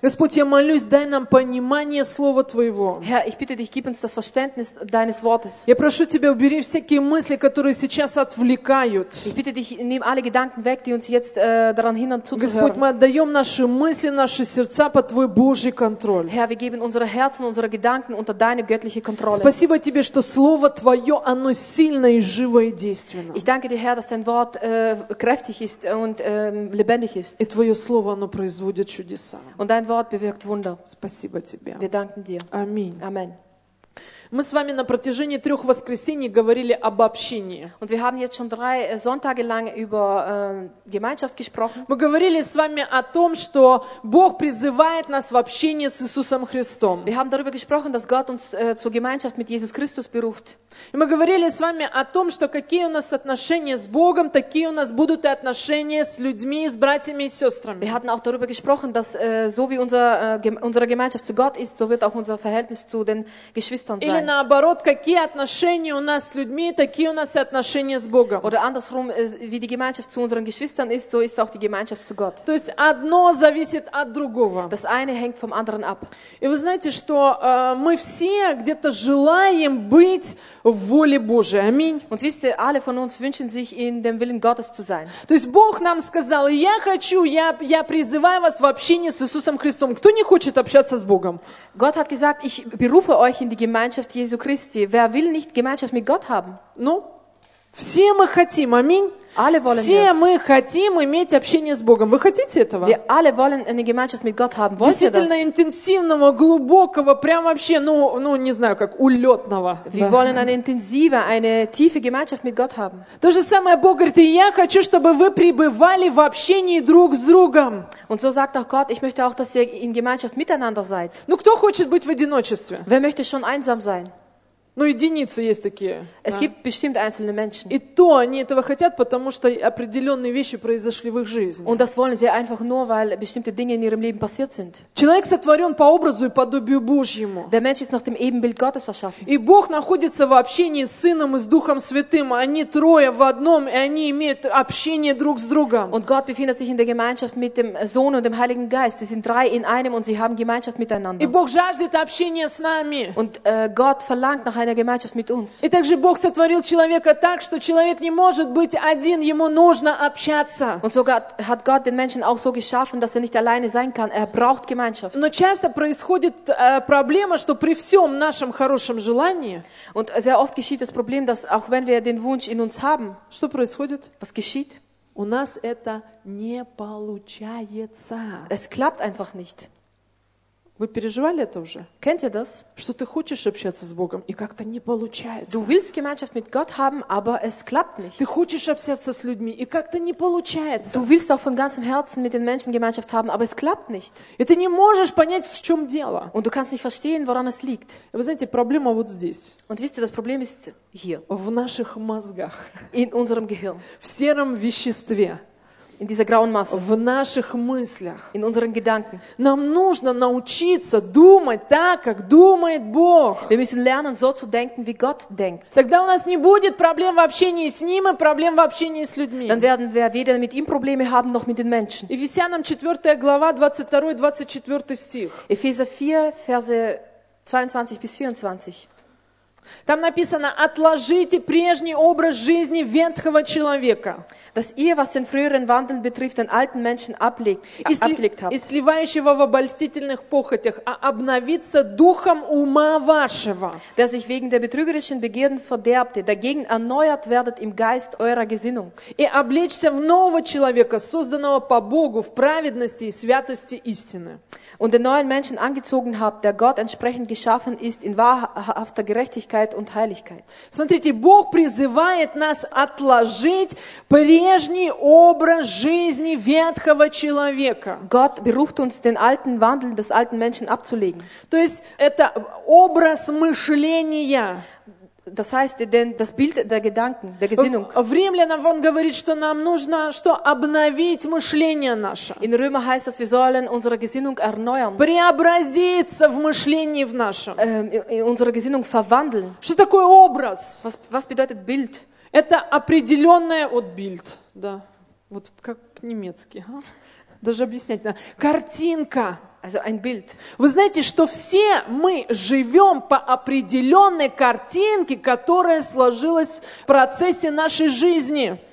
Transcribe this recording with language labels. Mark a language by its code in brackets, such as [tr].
[ru] Господь, я молюсь, дай нам понимание Слова Твоего. [de] Herr, ich bitte dich, gib uns das Verständnis deines Wortes. [ru] Я прошу Тебя, убери всякие мысли, которые сейчас отвлекают. [de] Ich bitte dich, nimm alle Gedanken weg, die uns jetzt daran hindern, zuzuhören. [ru] Господь, мы отдаем наши мысли, наши сердца под Твой Божий контроль. [de] Herr, wir geben unsere Herzen Herzen, unsere Gedanken unter deine göttliche Kontrolle. [ru] Спасибо тебе, что слово твое, оно сильное и живое и действенное. [de] Ich danke dir, Herr, dass dein Wort kräftig ist und lebendig ist. [ru] И твое слово, оно производит чудеса. [de] Und dein Wort bewirkt Wunder. [ru] Спасибо тебе. [de] Wir danken dir. [ru] Аминь. Аминь. Мы с вами на протяжении трех воскресений говорили об общении. [de] Und wir haben jetzt schon drei Sonntage lang über Gemeinschaft gesprochen. [ru] Мы говорили с вами о том, что Бог призывает нас в общение с Иисусом Христом. [de] Wir haben darüber gesprochen, dass Gott uns zur Gemeinschaft mit Jesus Christus beruft. [ru] И мы говорили с вами о том, что какие у нас отношения с Богом, такие у нас будут и отношения с людьми, с братьями и сестрами. [de] Wir hatten auch darüber gesprochen, dass so wie unsere Gemeinschaft zu Gott ist, so wird auch unser Verhältnis zu den Geschwistern sein. [ru] Или наоборот, какие отношения у нас с людьми, такие у нас и отношения с Богом. [de] Oder andersrum, wie die Gemeinschaft zu unseren Geschwistern ist, so ist auch die Gemeinschaft zu Gott. [ru] То есть одно зависит от другого. [de] Das eine hängt vom anderen ab. [ru] И вы знаете, что мы все где-то желаем быть в воле Божией. Аминь. [de] Und wisst ihr, alle von uns wünschen sich in dem Willen Gottes zu sein. [ru] То есть Бог нам сказал, я хочу, я призываю вас в общение с Иисусом Христом. Кто не хочет общаться с Богом? [de] Gott hat gesagt, ich berufe euch in die Gemeinschaft Jesu Christi. Wer will nicht Gemeinschaft mit Gott haben? [ru] Ну, все мы хотим, аминь. [de] Alle wollen [ru] все [de] das. [ru] Мы хотим иметь общение с Богом. Вы хотите этого? [de] Wir alle wollen eine Gemeinschaft mit Gott haben. Wollt [ru] действительно [de] ihr das? [ru] Интенсивного, глубокого, прям вообще, ну не знаю, как улетного. [de] Wir [ru] да. [de] wollen eine intensive, eine tiefe Gemeinschaft mit Gott haben. [ru] То же самое Бог говорит, и я хочу, чтобы вы пребывали в общении друг с другом. [de] Und so sagt auch Gott, ich möchte auch, dass ihr in Gemeinschaft miteinander seid. [ru] Ну кто хочет быть в одиночестве? [de] Wer möchte schon einsam sein? [ru] Ну, единицы есть такие. [de] Es gibt bestimmt einzelne Menschen. [ru] И то они этого хотят, потому что определенные вещи произошли в их жизни. [de] Und das wollen sie einfach nur, weil bestimmte Dinge in ihrem Leben passiert sind. [ru] Человек сотворен по образу и подобию Божьему. [de] Der Mensch ist nach dem Ebenbild Gottes erschaffen. [ru] И Бог находится в общении с Сыном и с Духом Святым. Они трое в одном, и они имеют общение друг с другом. [de] Und Gott befindet sich in der Gemeinschaft mit dem Sohn und dem Heiligen Geist. Sie sind drei in einem und sie haben Gemeinschaft miteinander. [ru] И Бог жаждет общения с нами. [de] Und Gott verlangt nach einer Gemeinschaft mit uns. [ru] И также Бог сотворил человека так, что человек не может быть один, ему нужно общаться. [de] Und sogar hat Gott den Menschen auch so geschaffen, dass er nicht alleine sein kann. Er braucht Gemeinschaft. [ru] Но часто происходит проблема, что при всем нашем хорошем желании. [de] Und sehr oft geschieht das Problem, dass auch wenn wir den Wunsch in uns haben. [ru] Что происходит? [de] Was geschieht? [ru] У нас это не получается. [de] Es klappt einfach nicht. [ru] Вы переживали это уже? [de] Kennt ihr das? [ru] Что ты хочешь общаться с Богом, и как-то не получается. [de] Du willst Gemeinschaft mit Gott haben, aber es klappt nicht. [ru] Ты хочешь общаться с людьми, и как-то не получается. [de] Du willst auch von ganzem Herzen mit den Menschen Gemeinschaft haben, aber es klappt nicht. [ru] И ты не можешь понять, в чем дело. [de] Und du kannst nicht verstehen, woran es liegt. [ru] Вы знаете, проблема вот здесь. [de] Und wisst ihr, das Problem ist hier. [ru] В наших мозгах. [de] In unserem Gehirn. [ru] В сером веществе. [de] In dieser grauen Masse. [ru] В наших мыслях. [de] In unseren Gedanken. [ru] Нам нужно научиться думать так, как думает Бог. [de] Wir müssen lernen, so zu denken, wie Gott denkt. [ru] Тогда у нас не будет проблем в общении с Ним и проблем в общении с людьми. [de] Dann werden wir weder mit ihm Probleme haben, noch mit den Menschen. [ru] Ефесянам 4 глава, 22-24 стих. [de] Epheser 4, Verse 22-24. [ru] Там написано, отложите прежний образ жизни ветхого человека. [de] Dass ihr, was den früheren Wandel betrifft, den alten Menschen ablegt habt. [ru] И сливающего в обольстительных похотях, а обновиться духом ума вашего. [de] Der sich wegen der betrügerischen Begierden verderbte, dagegen erneuert werdet im Geist eurer Gesinnung. [ru] И облечься в нового человека, созданного по Богу, в праведности и святости истины. [de] Und den neuen Menschen angezogen habt, der Gott entsprechend geschaffen ist in wahrhafter Gerechtigkeit und Heiligkeit. [ru] Смотрите, Бог призывает нас отложить прежний образ жизни ветхого человека. [de] Gott beruft uns, den alten Wandel des alten Menschen abzulegen. [ru] То есть это образ мышления. [de] Das heißt, das Bild der Gedanken, der Gesinnung. [ru] В Римлянам он говорит, что нам нужно, что обновить мышление наше. [de] In Römer heißt es, wir sollen unsere Gesinnung erneuern. [ru] Преобразиться в мышлении в нашем. [de] Unsere Gesinnung verwandeln. [ru] Что такое образ? [de] Was bedeutet Bild? [ru] Это определенное от Bild. Да. Вот как немецкий. А? Даже объяснять надо. Картинка. [de] Also ein Bild. [ru] Вы знаете, что все мы живем по определенной картинке, которая сложилась в процессе нашей жизни.